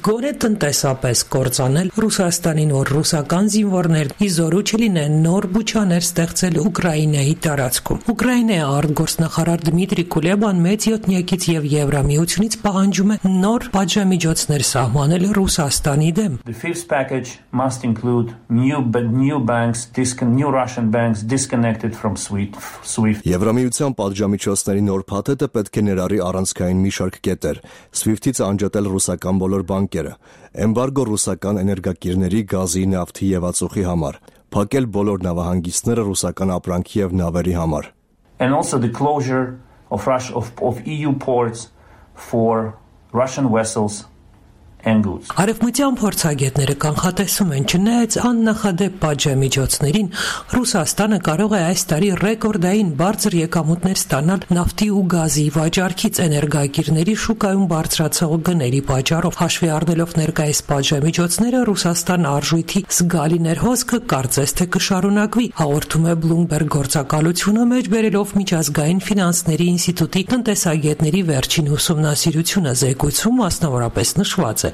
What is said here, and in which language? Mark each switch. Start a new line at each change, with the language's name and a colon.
Armenian: գոնե տնտեսապես կործանել Ռուսաստանին, որ ռուսական զինվորներ իզորու չլինեն նոր բուչաներ ստեղծել Ուկրաինայի տարածքում։ Ուկրաինայի արտգործնախարար Դմիտրի Կուլեբան մեծ յոթնյակից և Եվրամիությունից պահանջում է նոր պատժամիջոցներ սահմանել Ռուսաստանի դեմ։
English: The fifth package must include new banks, new Russian banks disconnected from SWIFT.
Armenian: Եվրամիության պատժամիջոցների նոր փաթեթը պետք է ներառի առանցքային մի շարք կետեր, SWIFT-ից անջատել ռուսական բոլոր բանկերը, Էմբարգո ռուսական էներգակիրների, գազի, նավթի և ածուխի համար, փակել բոլոր նավահանգիստները ռուսական ապրանքի և նավերի համար։
English: And also the closure of Russia of EU ports for Russian vessels and goods.
Armenian: Արևմտյան փորձագետները կանխատեսում են, չնայած աննախադեպ պատժամիջոցներին, Ռուսաստանը կարող է այս տարի ռեկորդային բարձր եկամուտներ ստանալ նավթի ու գազի վաճառքից, էներգակիրների շուկայում բարձրացող գների պատճառով։ Հաշվի առնելով ներկայիս պատժամիջոցները, Ռուսաստան արժույթի զգալի ներհոսքը կարծես թե կշարունակվի, հաղորդում է Bloomberg գործակալությունը, մեջբերելով միջազգային ֆինանսների ինստիտուտի տնտեսագետների վերջին ուսումնասիրությունը, զեկույցում մասնավորապես նշված։